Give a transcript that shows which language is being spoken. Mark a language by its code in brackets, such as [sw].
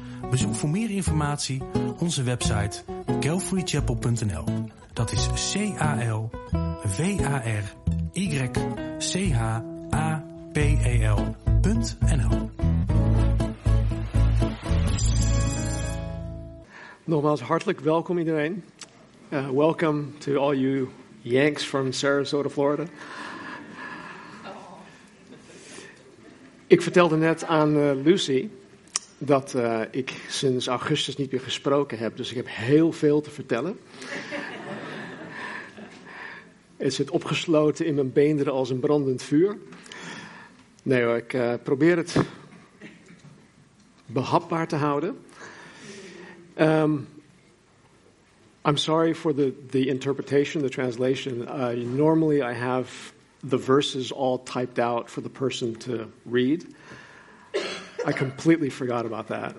[nl] Bezoek voor meer informatie onze website calvarychapel.nl. Dat is calvarychapel.nl. Nogmaals hartelijk welkom iedereen. [en] Welcome to all you Yanks from Sarasota, Florida. [nl] Ik vertelde net aan Lucy dat ik sinds augustus niet meer gesproken heb, dus ik heb heel veel te vertellen. Het zit opgesloten in mijn beenderen als een brandend vuur. Nee hoor, ik probeer het behapbaar te houden. [en] I'm sorry for the interpretation, the translation. Normally I have the verses all typed out for the person to read. I completely forgot about that.